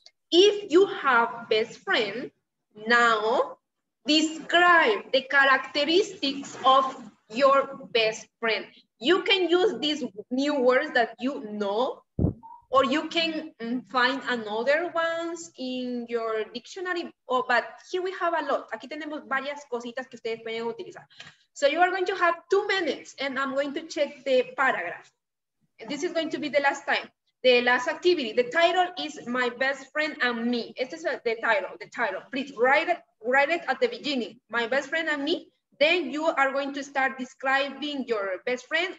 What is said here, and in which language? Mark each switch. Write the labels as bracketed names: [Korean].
[English] If you have best friend, now describe the characteristics of your best friend. You can use these new words that you know, or you can find another ones in your dictionary. Oh, but here we have a lot. [Spanish] Aquí tenemos varias cositas que ustedes pueden utilizar. [English] So you are going to have 2 minutes and I'm going to check the paragraph. This is going to be the last time. The last activity, the title is My Best Friend and Me. [Spanish] Este es [English] the title. Please write it at the beginning. My Best Friend and Me. Then you are going to start describing your best friend.